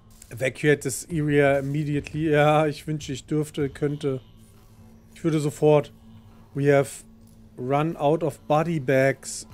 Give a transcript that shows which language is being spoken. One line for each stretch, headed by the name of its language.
English: Evacuate this area immediately.
German: Ja, ich wünsche, ich dürfte, könnte. Ich würde sofort.
English: We have run out of body bags.